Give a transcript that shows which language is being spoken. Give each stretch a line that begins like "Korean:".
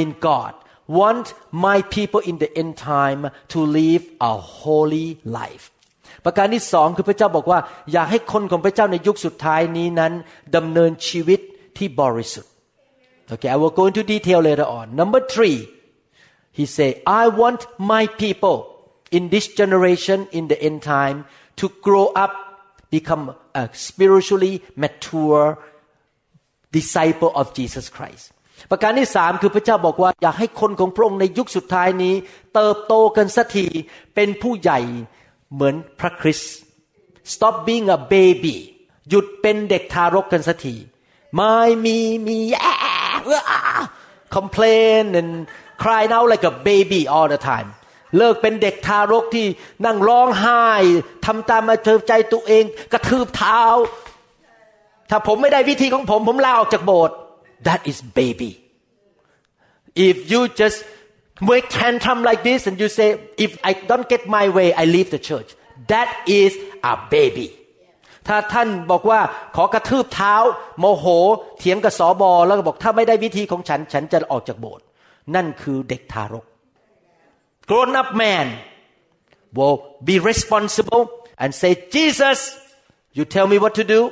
English: I want my people in the end time to live a holy life.
Thai: ประการที่สองคือพระเจ้าบอกว่าอยากให้คนของพระเจ้าในยุคสุดท้ายนี้นั้นดำเนินชีวิตที่บริสุทธิ์
English: Okay, I will go into detail later on. Number three, he said, I want my people in this generation in the end time to grow up, become a spiritually mature disciple of Jesus Christ.
Thai: ประการที่สามคือพระเจ้าบอกว่าอยากให้คนของพระองค์ในยุคสุดท้ายนี้เติบโตกันสักทีเป็นผู้ใหญ่เหมือนพระคริสต์
English: Stop being a baby
Thai: หยุดเป็นเด็กทารกกันสักที
English: My me me yeah complain and cry now like a baby all the time
Thai: เลิกเป็นเด็กทารกที่นั่งร้องไห้ทำตามอาเภอใจตัวเองกระทืบเท้าถ้าผมไม่ได้วิธีของผมผมลาออกจากโบสถ์
English: That is baby. If you just make tantrum like this and you say, if I don't get my way, I leave the church. That is a baby.
Thai: ถ้าท่านบอกว่าขอกระทืบเท้าโมโหเถียงกับสบแล้วก็บอกถ้าไม่ได้วิธีของฉันฉันจะออกจากโบสถ์นั่นคือเด็กทารก
English: Grown up man will be responsible and say, Jesus,You tell me what to do.